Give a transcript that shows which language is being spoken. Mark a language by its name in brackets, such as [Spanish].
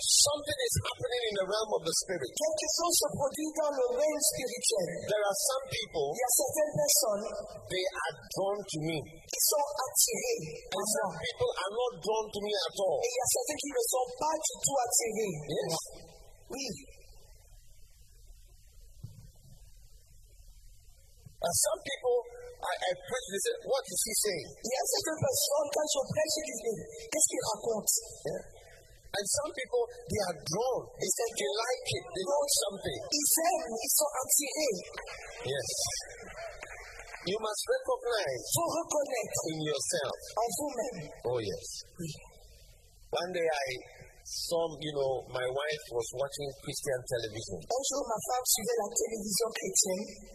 [English] Something is happening in the realm of the spirit. [French] Quelque chose se produit dans le règne spirituel. [English] There are some people. [French] Il y a certaines personnes. [English] They are drawn to me. [French] Ils sont attirés. [English] And some people are not drawn to me at all. [French] Et il y a certains qui ne sont pas du tout attirés. [English] Yes. [French] Oui. [English] And some people. I preach this. What is he saying? Yes, a person. [French] Quand je prêche, il dit, qu'est-ce qu'il raconte? [English] Yeah. And some people, they are drawn. They say they like it. They want something. He said, [French] ils sont attirés. [English] Yes. You must recognize. [French] Faut reconnaître. [English] In yourself. [French] En vous-même. [English] Oh yes. One day I saw, you know, my wife was watching Christian television. [French] Un jour, ma femme suivait la télévision chrétienne.